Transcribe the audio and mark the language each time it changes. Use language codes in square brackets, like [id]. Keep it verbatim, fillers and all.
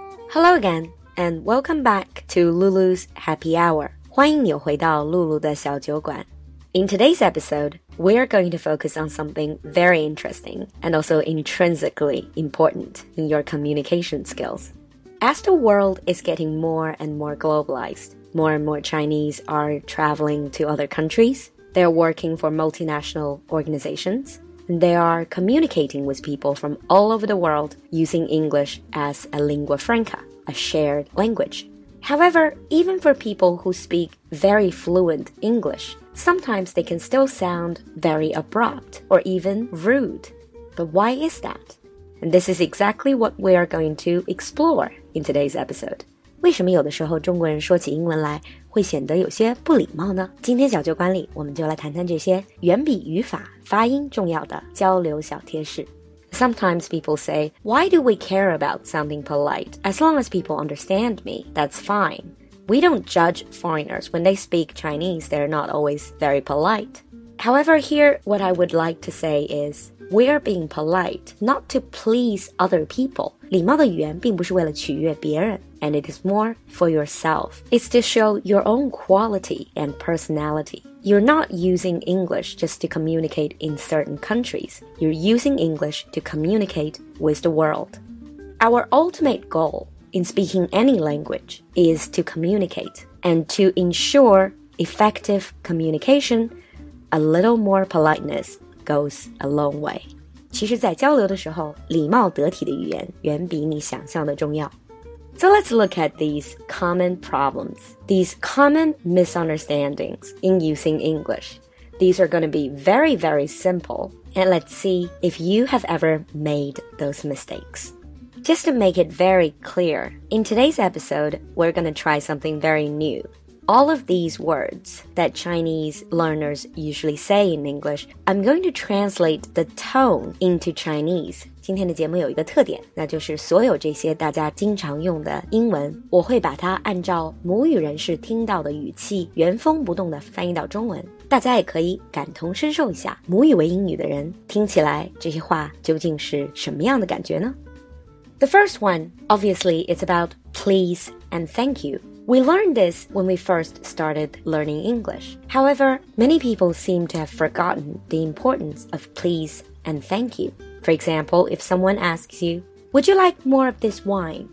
[en] Hello again, and welcome back to Lulu's Happy Hour. [zh] 欢迎你回到露露的小酒馆。 [en] In today's episode, we are going to focus on something very interesting and also intrinsically important in your communication skills. As the world is getting more and more globalized, more and more Chinese are traveling to other countries, they're working for multinational organizations, and they are communicating with people from all over the world using English as a lingua franca, a shared language. However, even for people who speak very fluent English, sometimes they can still sound very abrupt or even rude. But why is that? And this is exactly what we are going to explore in today's episode. [zh] 为什么有的时候中国人说起英文来会显得有些不礼貌呢？今天小酒馆里，我们就来谈谈这些远比语法、发音重要的交流小贴士。 [en] Sometimes people say, "Why do we care about sounding polite? As long as people understand me, that's fine." We don't judge foreigners. When they speak Chinese, they're not always very polite. However, here, what I would like to say is, we are being polite not to please other people. [zh] 礼貌的语言并不是为了取悦别人。 [en] And it is more for yourself. It's to show your own quality and personality. You're not using English just to communicate in certain countries. You're using English to communicate with the world. Our ultimate goal in speaking any language is to communicate and to ensure effective communication. A little more politeness goes a long way. [zh] 其实在交流的时候，礼貌得体的语言远比你想象的重要。 [en] So let's look at these common problems, these common misunderstandings in using English. These are going to be very, very simple, and let's see if you have ever made those mistakes. Just to make it very clear, in today's episode, we're going to try something very new. All of these words that Chinese learners usually say in English, I'm going to translate the tone into Chinese. [zh] 今天的节目有一个特点，那就是所有这些大家经常用的英文，我会把它按照母语人士听到的语气，原封不动地翻译到中文。大家也可以感同身受一下，母语为英语的人听起来这些话究竟是什么样的感觉呢？ [en] The first one, obviously, it's about please and thank you. We learned this when we first started learning English. However, many people seem to have forgotten the importance of please and thank you. For example, if someone asks you, would you like more of this wine?